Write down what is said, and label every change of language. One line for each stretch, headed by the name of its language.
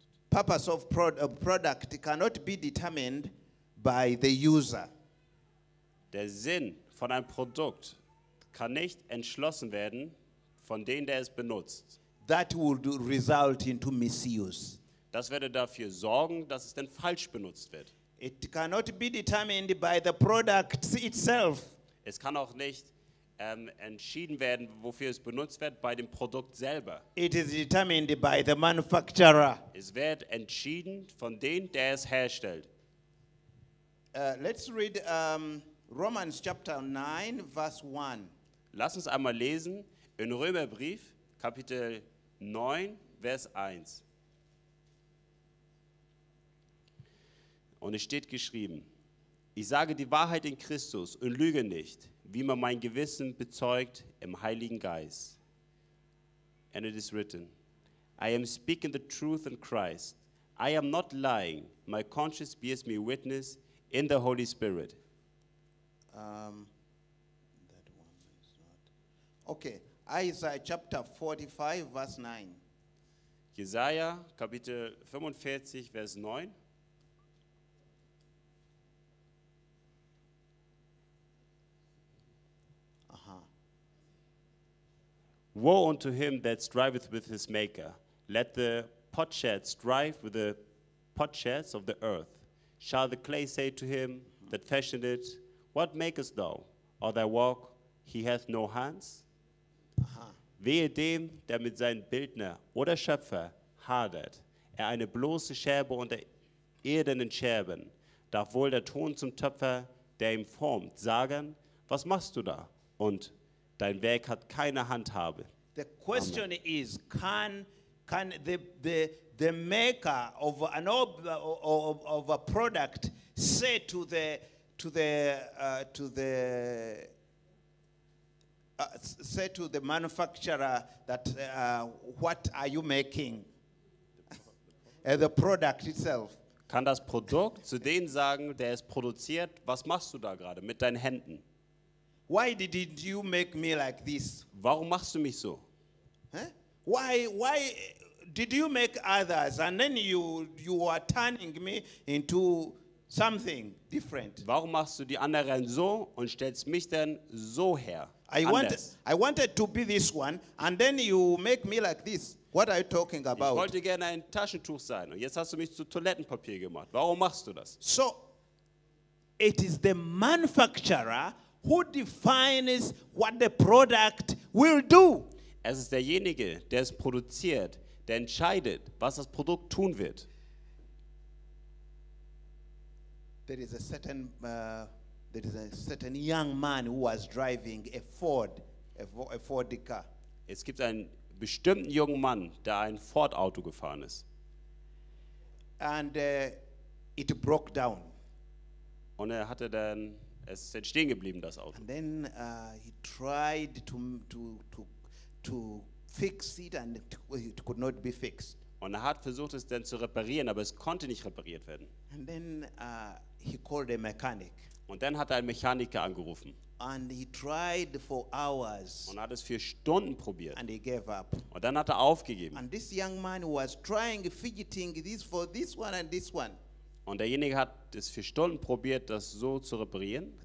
English: Purpose of product cannot be determined by the user.
German: Der Sinn von einem Produkt kann nicht entschlossen werden von dem, der es benutzt.
English: That would result into misuse.
German: Das würde dafür sorgen, dass es dann falsch benutzt wird.
English: It cannot be determined by the product itself.
German: Es kann auch nicht entschieden werden, wofür es benutzt wird, bei dem Produkt selber.
English: It is determined by the manufacturer.
German: Es wird entschieden von dem, der es herstellt.
English: Let's read Romans chapter 9, verse 1.
German: Lass uns einmal lesen in Römerbrief, Kapitel 9, Vers 1. Und es steht geschrieben, ich sage die Wahrheit in Christus und lüge nicht, wie man mein Gewissen bezeugt im Heiligen Geist.
English: And it is written, I am speaking the truth in Christ. I am not lying. My conscience bears me witness in the Holy Spirit. That one is not. Okay, Isaiah chapter 45, verse 9. Jesaja, Kapitel 45, Vers 9. Woe unto him that striveth with his maker. Let the potsherd strive with the potsherds of the earth. Shall the clay say to him that fashioned it, what makest thou? Or thy work, he hath no hands? Aha.
German: Wehe dem, der mit seinem Bildner oder Schöpfer hadert, er eine bloße Scherbe unter irdenen Scherben. Darf wohl der Ton zum Töpfer, der ihm formt, sagen, was machst du da? Und dein Werk hat keine Handhabe.
English: The question Amen. Is, can the maker of an of a product say to the manufacturer that what are you making? The product itself.
German: Kann das Produkt zu dem sagen, der es produziert, was machst du da gerade mit deinen Händen?
English: Why did you make me like this?
German: Warum machst du mich so? Huh?
English: Why did you make others and then you are turning me into something different?
German: Warum machst du die anderen so und stellst mich dann so her?
English: I wanted to be this one and then you make me like this. What are you talking about?
German: Ich wollte gerne ein Taschentuch sein und jetzt hast du mich zu Toilettenpapier gemacht. Warum machst du das?
English: So it is the manufacturer who defines what the product will do?
German: Es ist derjenige, der es produziert, der entscheidet, was das Produkt tun wird.
English: There is a certain young man who was driving a Ford car.
German: Es gibt einen bestimmten jungen Mann, der ein Ford-Auto gefahren ist.
English: And it broke down.
German: Und er hatte dann, es ist stehen geblieben, das Auto.
English: And then he tried to fix it and it could not be fixed.
German: Und er hat versucht, es dann zu reparieren, aber es konnte nicht repariert werden.
English: And then he called a mechanic.
German: Und dann hat er einen Mechaniker angerufen.
English: And he tried for hours.
German: Und hat es für Stunden probiert.
English: And he gave up.
German: Und dann hat er aufgegeben.
English: And this young man was trying, fidgeting this for this one and this one.
German: Und derjenige hat es für Stunden probiert, das so zu reparieren.